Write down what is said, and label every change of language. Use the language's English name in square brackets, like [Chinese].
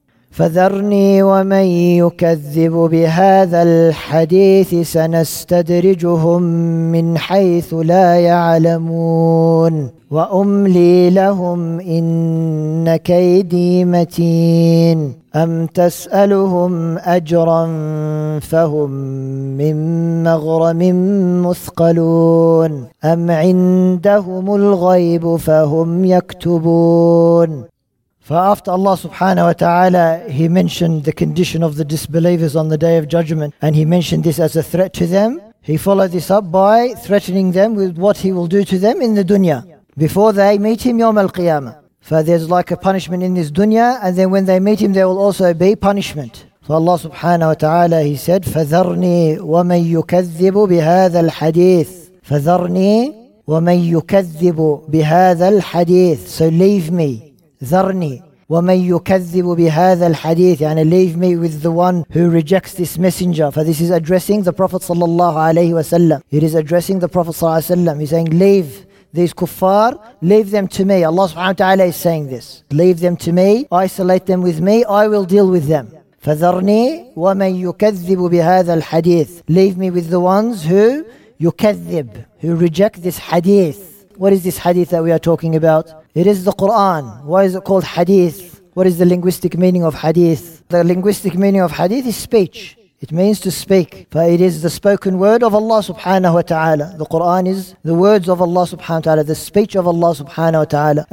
[Arabic] فذرني ومن يكذب بهذا الحديث سنستدرجهم من حيث لا يعلمون وأملي لهم إن كيدي متين أم تسألهم أجرا فهم من مغرم مثقلون أم عندهم الغيب فهم يكتبون. [English] But after Allah subhanahu wa ta'ala, He mentioned the condition of the disbelievers on the Day of Judgment, and He mentioned this as a threat to them. He followed this up by threatening them with what He will do to them in the dunya, before they meet Him yawm al-qiyamah. For there's like a punishment in this dunya, and then when they meet Him, there will also be punishment. So Allah subhanahu wa ta'ala, He said, [Arabic] فَذَرْنِي وَمَن يُكَذِّبُ بِهَذَا الْحَدِيثِ [English] فَذَرْنِي وَمَن يُكَذِّبُ بِهَذَا الْحَدِيثِ So leave me. [Arabic] ذرني ومن يكذب بهذا الحديث يعني [English] leave me with the one who rejects this messenger. For this is addressing the Prophet صلى الله عليه وسلم. It is addressing the Prophet صلى الله عليه وسلم. He's saying leave these kuffar, leave them to me. Allah سبحانه وتعالى is saying this. Leave them to me, isolate them with me, I will deal with them. [Arabic] فذرني ومن يكذب بهذا الحديث. [English] Leave me with the ones who يكذب, who reject this hadith. What is this hadith that we are talking about? It is the Quran. Why is it called hadith? What is the linguistic meaning of hadith? The linguistic meaning of hadith is speech. It means to speak. For it is the spoken word of Allah subhanahu wa ta'ala. The Quran is the words of Allah subhanahu wa ta'ala, the speech of Allah subhanahu wa ta'ala.